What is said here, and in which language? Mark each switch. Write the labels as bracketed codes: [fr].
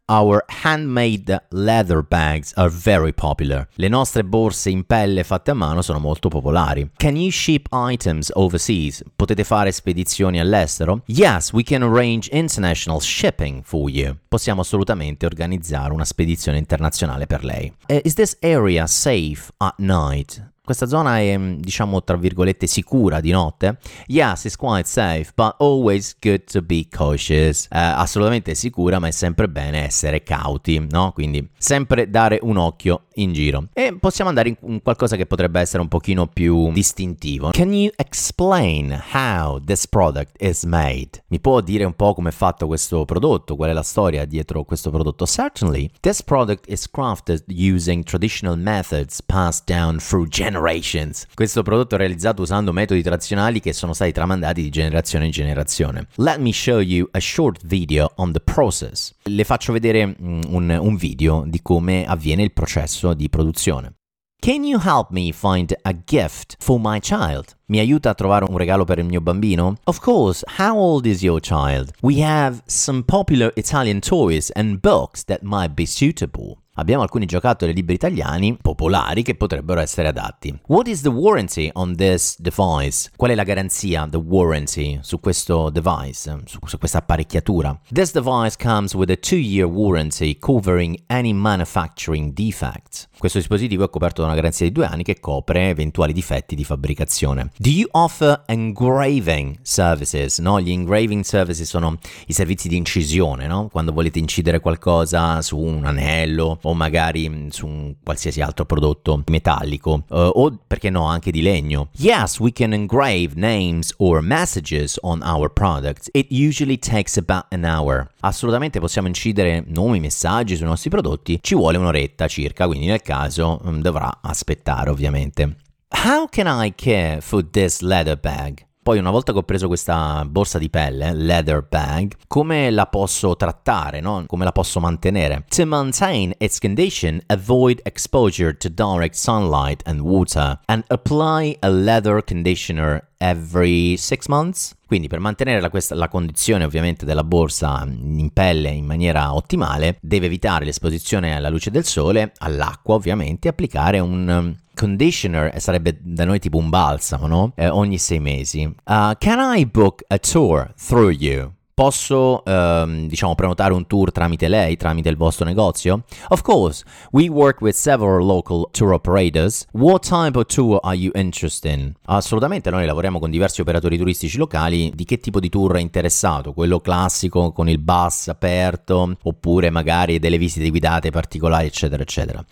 [en] Our handmade leather bags are very popular. [it] Le nostre borse in pelle fatte a mano sono molto popolari. [en] Can you ship items overseas? [it] Potete fare spedizioni all'estero? [en] Yes, we can arrange international shipping for you. [it] Possiamo assolutamente organizzare una spedizione internazionale per lei. [en] Is this area safe at night? [it] Questa zona è, diciamo, tra virgolette, sicura di notte? [en] Yes, it's quite safe, but always good to be cautious. [it] Assolutamente sicura, ma è sempre bene essere cauti, no? Quindi sempre dare un occhio in giro. E possiamo andare in qualcosa che potrebbe essere un pochino più distintivo. [en] Can you explain how this product is made? [it] Mi può dire un po' come è fatto questo prodotto? Qual è la storia dietro questo prodotto? [en] Certainly, this product is crafted using traditional methods passed down through generations. [it] Questo prodotto è realizzato usando metodi tradizionali che sono stati tramandati di generazione in generazione. [en] Let me show you a short video on the process. [it] Le faccio vedere un video di come avviene il processo di produzione. [en] Can you help me find a gift for my child? [it] Mi aiuta a trovare un regalo per il mio bambino? [en] Of course, how old is your child? We have some popular Italian toys and books that might be suitable. [it] Abbiamo alcuni giocattoli e libri italiani popolari che potrebbero essere adatti. [en] What is the warranty on this device? [it] Qual è la garanzia, [en] the warranty, [it] su questo device, su questa apparecchiatura? [en] This device comes with a 2-year warranty covering any manufacturing defects. [it] Questo dispositivo è coperto da una garanzia di 2 anni che copre eventuali difetti di fabbricazione. [en] Do you offer engraving services? [it] No, gli [en] engraving services [it] sono i servizi di incisione, no? Quando volete incidere qualcosa su un anello o magari su un qualsiasi altro prodotto metallico o perché no anche di legno. [en] Yes, we can engrave names or messages on our products. It usually takes about an hour. [it] Assolutamente possiamo incidere nomi, messaggi sui nostri prodotti. Ci vuole un'oretta circa, quindi nel caso dovrà aspettare ovviamente. [en] How can I care for this leather bag? [it] Poi una volta che ho preso questa borsa di pelle, [en] leather bag, [it] come la posso trattare, no? Come la posso mantenere? [en] To maintain its condition, avoid exposure to direct sunlight and water and apply a leather conditioner every 6 months. [it] Quindi per mantenere la condizione ovviamente della borsa in pelle in maniera ottimale, deve evitare l'esposizione alla luce del sole, all'acqua ovviamente, e applicare un conditioner, sarebbe da noi tipo un balsamo, no? Ogni 6 mesi. [en] Can I book a tour through you? [it] Posso, diciamo, prenotare un tour tramite lei, tramite il vostro negozio? [en] Of course, we work with several local tour operators. What type of tour are you interested in? [it] Assolutamente, noi lavoriamo con diversi operatori turistici locali. Di che tipo di tour è interessato? Quello classico con il bus aperto, oppure magari delle visite guidate particolari, eccetera, eccetera.